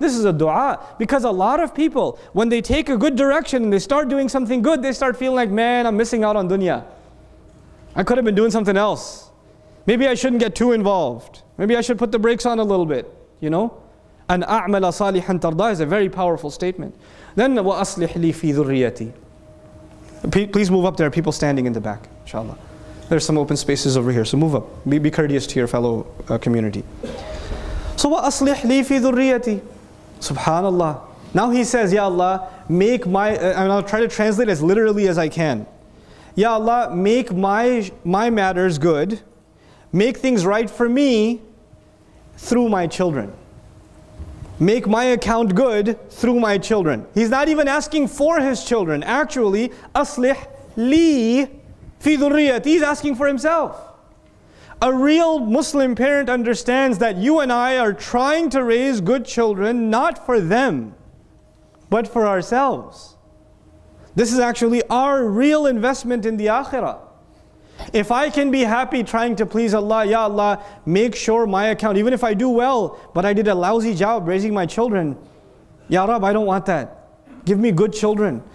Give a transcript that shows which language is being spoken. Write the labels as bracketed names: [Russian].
[English] This is a dua, because a lot of people, when they take a good direction and they start doing something good, they start feeling like, man, I'm missing out on dunya. I could have been doing something else. Maybe I shouldn't get too involved. Maybe I should put the brakes on a little bit, you know? [Arabic] أَنْ أَعْمَلَ صَالِحًا تَرْضَاهُ [English] is a very powerful statement. [Arabic] Then وَأَصْلِحْ لِي فِي ذُرِّيَّتِي. [English] Please move up, there are people standing in the back, inshallah. There's some open spaces over here, so move up. Be courteous to your fellow community. [Arabic] So وَأَصْلِحْ لِي فِي ذُرِّيَّتِي. Subhanallah. [English] Now he says, Ya Allah, make my, and I'll try to translate as literally as I can. Ya Allah, make my matters good, make things right for me through my children. Make my account good through my children. He's not even asking for his children. Actually, [Arabic] أَصْلِحْ لِي فِي ذُرِّيَّتِي. [English] He's asking for himself. A real Muslim parent understands that you and I are trying to raise good children, not for them, but for ourselves. This is actually our real investment in the Akhirah. If I can be happy trying to please Allah, Ya Allah, make sure my account, even if I do well, but I did a lousy job raising my children, Ya Rab, I don't want that. Give me good children.